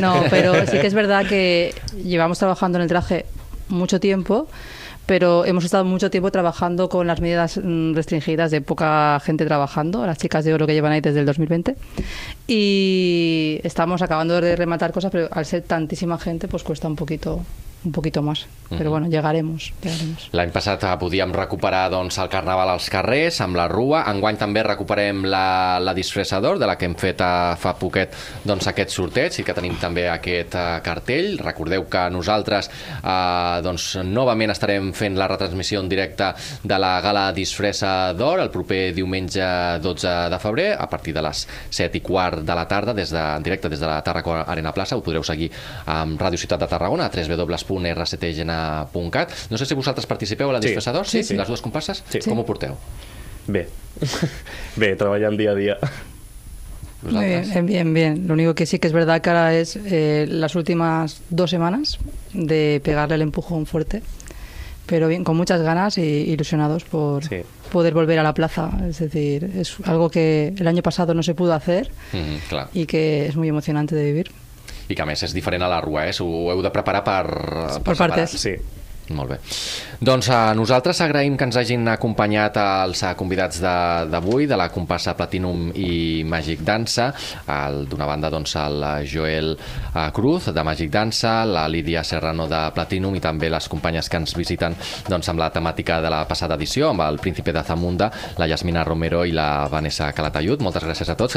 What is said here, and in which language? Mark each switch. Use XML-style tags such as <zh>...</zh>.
<es>No, pero sí que es verdad que llevamos trabajando en el traje mucho tiempo, pero hemos estado mucho tiempo trabajando con las medidas restringidas de poca gente trabajando, las chicas de oro que llevan ahí desde el 2020, y estamos acabando de rematar cosas, pero al ser tantísima gente pues cuesta un poquito más, pero uh-huh. Bueno, llegaremos.</es> <ca>L'any passat podíem recuperar doncs el carnaval als carrers amb la rua, enguany també recuperem la disfressa d'or, de la que hem fet fa poquet doncs aquest sorteig, i que tenim també aquest cartell. Recordeu que nosaltres doncs novament estarem fent la retransmissió en directe de la gala disfressa d'or el proper diumenge 12 de febrer a partir de les 7:15 de la tarda, en directe des de la Tarraco Arena Plaça. Ho podreu seguir amb Ràdio Ciutat de Tarragona, a www.rctgna.cat. No sé si vosaltres participeu a la disfressa d'or, sí, les dues comparses. Sí. Com ho porteu? Bé. Bé, treballant dia a dia. Vosaltres?</ca> <es>Bien, bien. Lo único que sí que es verdad que ahora es las últimas dos semanas de pegarle el empujón fuerte, pero bien, con muchas ganas e ilusionados por poder volver a la plaza. Es decir, es algo que el año pasado no se pudo hacer, claro. Y que es muy emocionante de vivir.</es> <ca>I que a més és diferent a la rua, eh? Ho heu de preparar per</ca> <es>partes.</es> <ca>Sí. Molt bé. Doncs nosaltres agraïm que ens hagin acompanyat els convidats d'avui, de la comparsa Platinum i Magic Dansa. D'una banda, doncs, el Joel Cruz, de Magic Dansa, la Lídia Serrano, de Platinum, i també les companyes que ens visiten doncs amb la temàtica de la passada edició, amb el Príncipe de Zamunda, la Yasmina Romero i la Vanessa Calatayud. Moltes gràcies a tots.</ca>